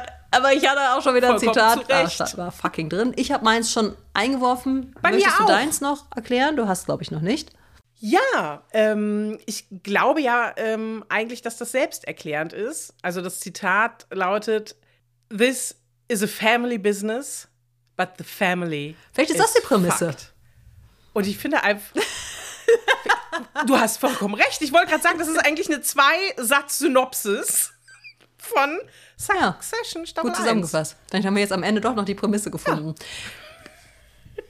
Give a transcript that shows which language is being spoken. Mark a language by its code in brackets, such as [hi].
[de] Aber ich hatte auch schon wieder ein Zitat. War fucking drin. Ich habe meins schon eingeworfen. Bei Möchtest mir auch. Du deins noch erklären? Du hast, glaube ich, noch nicht. Ja, ich glaube ja eigentlich, dass das selbsterklärend ist. Also das Zitat lautet, [en] this is a family business, but the family [de] Vielleicht ist das die Prämisse. [en] Fucked. [de] Und ich finde einfach... Du hast vollkommen recht. Ich wollte gerade sagen, das ist eigentlich eine Zwei-Satz-Synopsis von Succession Staffel 1. Gut zusammengefasst. Dann haben wir jetzt am Ende doch noch die Prämisse gefunden. Ja.